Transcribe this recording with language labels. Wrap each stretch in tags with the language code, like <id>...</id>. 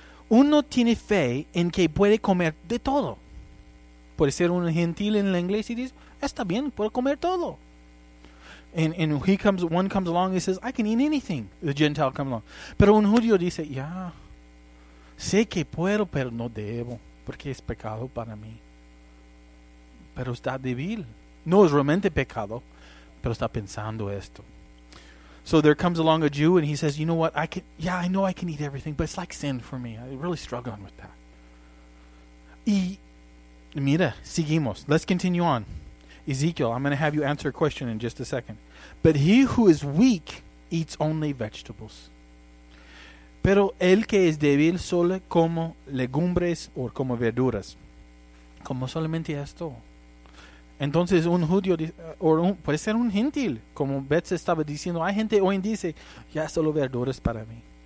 <es>Uno tiene fe en que puede comer de todo. Puede ser un gentil en la iglesia y dice, está bien, puedo comer todo.</es> <en>And he comes, one comes along and says, I can eat anything. The Gentile comes along.</en> <es>Pero un judío dice, ya, sé que puedo, pero no debo, porque es pecado para mí. Pero está débil. No es realmente pecado, pero está pensando esto.</es> <en>So there comes along a Jew and he says, you know what, I can, yeah, I know I can eat everything, but it's like sin for me. I'm really struggling with that.</en> <es>Y mira, seguimos.</es> <en>Let's continue on. Ezekiel, I'm going to have you answer a question in just a second. But he who is weak eats only vegetables.</en> <es>Pero el que es débil solo come legumbres o come verduras. Como solamente esto. Entonces un judío, puede ser un gentil, como Betz estaba diciendo, hay gente hoy en día dice, ya solo verduras para mí.</es>